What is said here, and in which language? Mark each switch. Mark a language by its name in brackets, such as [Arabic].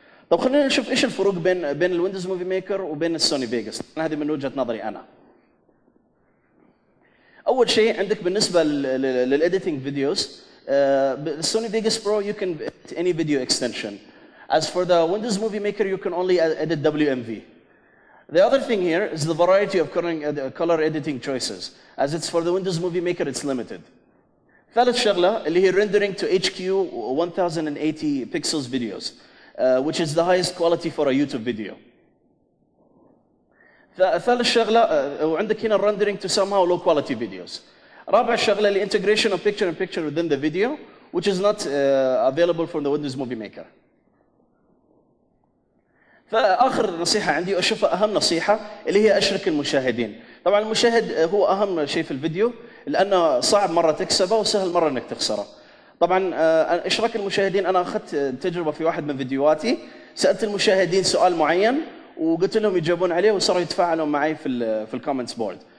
[Arabic] طب خلينا نشوف ايش الفروق بين الويندوز موفي ميكر وبين السوني فيجاس. هذه من وجهه نظري انا. اول شيء عندك بالنسبه [English] للايديتنج فيديوز السوني Vegas Pro you can any video extension, as for the Windows Movie Maker you can only edit W M V. The other thing here is the variety of color editing choices, as it's for the Windows Movie Maker, it's limited. [Arabic] ثالث شغلة اللي هي [English] rendering to HQ 1080 pixels videos, which is the highest quality for a YouTube video. [Arabic] ثالث شغلة وعندك هنا [English] rendering to somehow low quality videos. [Arabic] رابع شغلة اللي [English] integration of picture in picture within the video, which is not available from the Windows Movie Maker. [Arabic] فآخر نصيحة عندي وأشوفها أهم نصيحة اللي هي أشرك المشاهدين. طبعا المشاهد هو أهم شيء في الفيديو لأنه صعب مرة تكسبه وسهل مرة أنك تخسره. طبعا أشرك المشاهدين أنا أخذت تجربة في واحد من فيديوهاتي، سألت المشاهدين سؤال معين وقلت لهم يجابون عليه وصاروا يتفاعلون معي في الكومنتس بورد.